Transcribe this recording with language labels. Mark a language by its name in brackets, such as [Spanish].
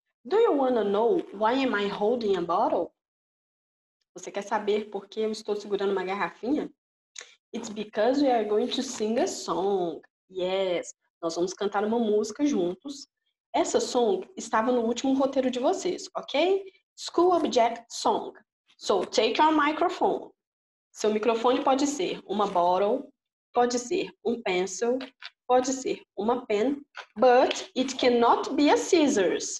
[English] Do you want to know why am I holding a bottle? [Portuguese] Você quer saber por que eu estou segurando uma garrafinha? [English] It's because we are going to sing a song. [Portuguese] Yes, nós vamos cantar uma música juntos. Essa song estava no último roteiro de vocês, ok? [English] School Object Song. So, take your microphone. [Portuguese] Seu microfone pode ser uma bottle, pode ser um pencil. Pode ser uma pen, [English] but it cannot be a scissors.